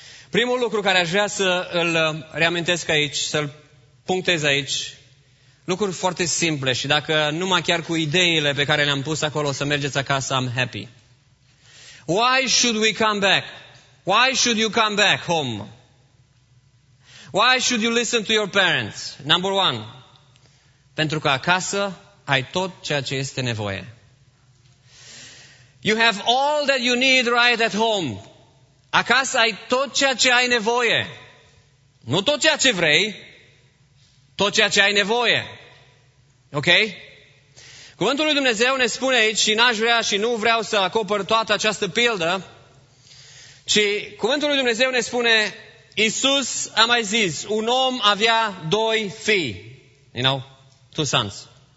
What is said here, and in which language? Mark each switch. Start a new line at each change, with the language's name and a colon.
Romanian: Primul lucru care aș vrea să îl reamintesc aici, să-l punctez aici, lucruri foarte simple și dacă numai chiar cu ideile pe care le-am pus acolo să mergeți acasă,
English: I'm happy. Why should we come back? Why should you come back home? Why should you listen to your parents? Number one.
Romanian: Pentru că acasă ai tot ceea ce este nevoie.
English: You have all that you need right at home.
Romanian: Acasă ai tot ceea ce ai nevoie. Nu tot ceea ce vrei, tot ceea ce ai nevoie. Ok? Cuvântul lui Dumnezeu ne spune aici, și n-aș vrea și nu vreau să acopăr toată această pildă, ci cuvântul lui Dumnezeu ne spune, Iisus a mai zis, un om avea doi fii.
English: You know? Two sons.